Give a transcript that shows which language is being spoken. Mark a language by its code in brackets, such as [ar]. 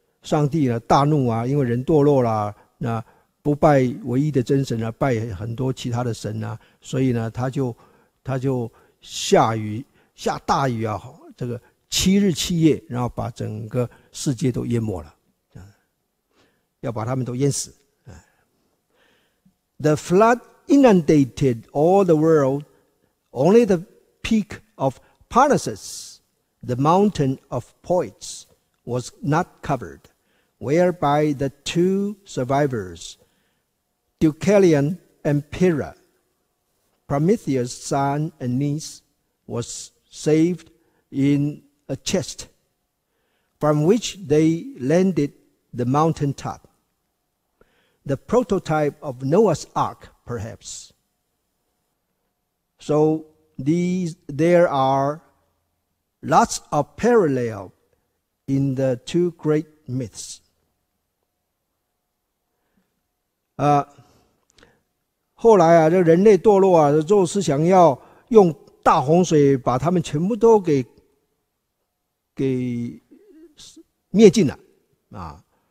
[zh] 上帝呢大怒啊，因为人堕落啦，那不拜唯一的真神啊，拜很多其他的神啊，所以呢他就下雨，下大雨啊，这个七日七夜，然后把整个世界都淹没了，要把他们都淹死。 [en] The flood inundated all the world. Only the peak of Parnassus, the mountain of Poets, was not covered, whereby the two survivors, Deucalion and Pyrrha, Prometheus' son and niece, was saved in a chest, from which they landed the mountain top. The prototype of Noah's Ark, perhaps. So there are lots of parallel in the two great myths. [zh] 后来啊，这人类堕落啊，宙斯想要用大洪水把他们全部都给灭尽了啊。